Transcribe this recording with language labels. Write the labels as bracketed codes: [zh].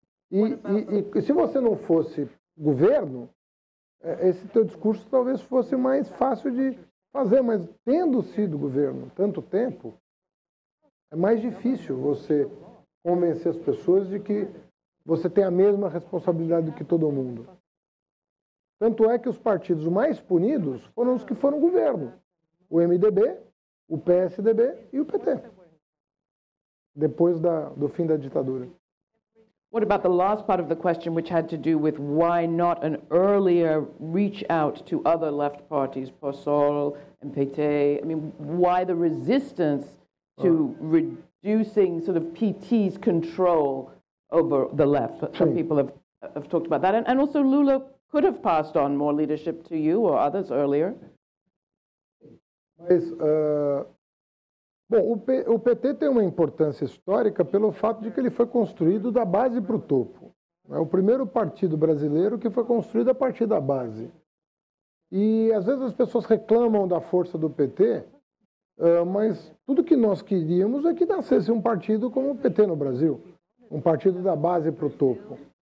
[pt] E se você não fosse governo, esse teu discurso talvez fosse mais fácil de fazer, mas tendo sido governo tanto tempo, é mais difícil você convencer as pessoas de que você tem a mesma responsabilidade do que todo mundo. Tanto é que os partidos mais punidos foram os que foram governo, o MDB, o PSDB e o PT, depois do fim da ditadura. [en] What about the last part of the question, which had to do with why not an earlier reach out to other left parties, PSOL, MPT? I mean, why the resistance to reducing sort of PT's control over the left? Some people have talked about that. And also Lula could have passed on more leadership to you or others earlier. [pt] Mas, bom, o PT tem uma importância histórica pelo fato de que ele foi construído da base para o topo. É o primeiro partido brasileiro que foi construído a partir da base. E, às vezes, as pessoas reclamam da força do PT, mas tudo que nós queríamos é que nascesse um partido como o PT no Brasil, um partido da base para o topo.